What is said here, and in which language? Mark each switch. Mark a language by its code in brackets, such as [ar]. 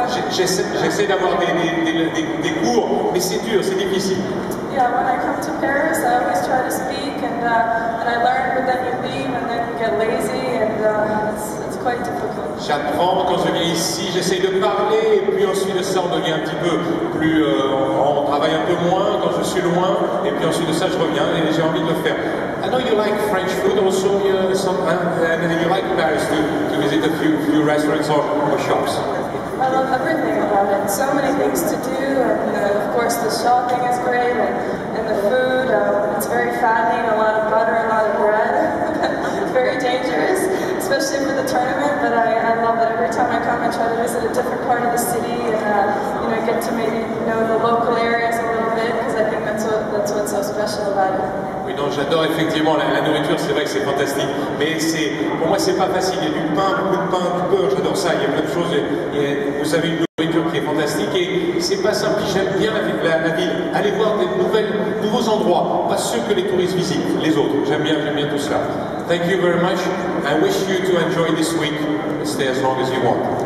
[fr] J'essaie d'avoir des cours, mais c'est dur, c'est difficile. [en] Yeah, when I come to Paris, I always try to speak and I learn, but then you leave and then you get lazy and it's quite difficult. [fr] J'apprends quand je viens ici, j'essaie de parler et puis ensuite de ça on devient un petit peu plus, on travaille un peu moins quand je suis loin et puis ensuite de ça je reviens et j'ai envie de le faire. [en] I know you like French food also, and you like Paris to visit a few restaurants or shops. I love everything about it. So many things to do, and of course the shopping is great, and the food. It's very fattening, a lot of butter, a lot of bread. It's very dangerous, especially for the tournament. But I love it. Every time I come, I try to visit a different part of the city, and get to maybe know the local areas a little bit, because I think that's what's so special about it. [fr] Donc j'adore effectivement la nourriture, c'est vrai que c'est fantastique, mais c'est, pour moi c'est pas facile, il y a du pain, beaucoup de pain, du beurre, j'adore ça, il y a plein de choses, et vous avez une nourriture qui est fantastique, et c'est pas simple, j'aime bien la ville, aller voir des nouveaux endroits, pas ceux que les touristes visitent, les autres, j'aime bien tout cela. [en] Thank you very much, I wish you to enjoy this week, stay as long as you want.